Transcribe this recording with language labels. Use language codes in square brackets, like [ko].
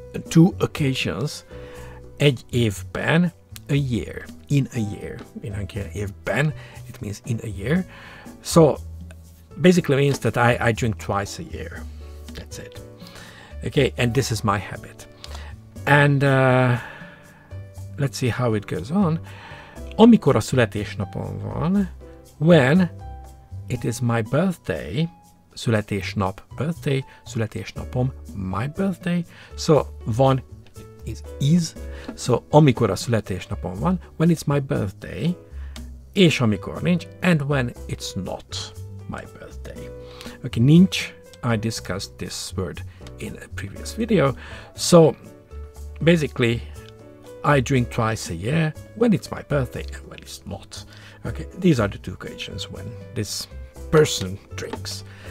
[en] two occasions, [hu] egy évben, [en] a year, in a year, in Hungarian, évben, it means in a year, so basically means that I drink twice a year, that's it, okay, and this is my habit, and let's see how it goes on. [hu] Amikor a születésnapon van, [en] when it is my birthday, születésnap, birthday, születésnapom, my birthday, so van is, so [hu] amikor a születésnapon van, [en] when it's my birthday, [hu] és amikor nincs, [en] and when it's not my birthday. Okay, nincs, I discussed this word in a previous video, so basically, I drink twice a year, when it's my birthday and when it's not. Okay, these are the two occasions when this person drinks.